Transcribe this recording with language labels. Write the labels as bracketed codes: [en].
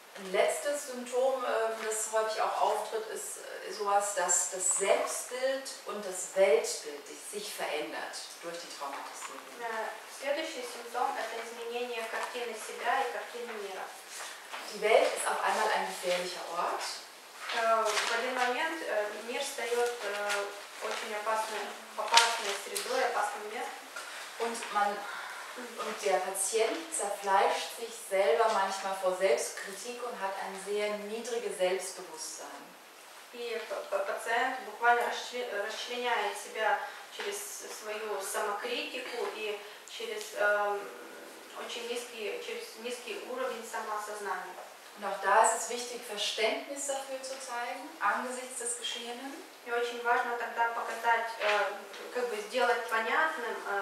[de] Letztes Symptom, das häufig auch auftritt, ist sowas, dass das Selbstbild und das Weltbild sich verändert durch die Traumatisierung. [ru] Следующий [de] Symptom ist das [ru] изменение картины себя и картины мира. [de] Die Welt ist auf einmal ein gefährlicher Ort. [ru] В один момент мир встает очень опасной средой, опасным местом. [de] Und der Patient zerfleischt sich selber manchmal vor Selbstkritik und hat ein sehr niedriges Selbstbewusstsein. [ru] И пациент буквально расчленяет себя через свою самокритику и через очень низкий, через низкий уровень самоосознания. [de] Und auch da ist es wichtig, Verständnis dafür zu zeigen, angesichts des Geschehenen. [ru] И очень важно тогда показать, как бы сделать понятным,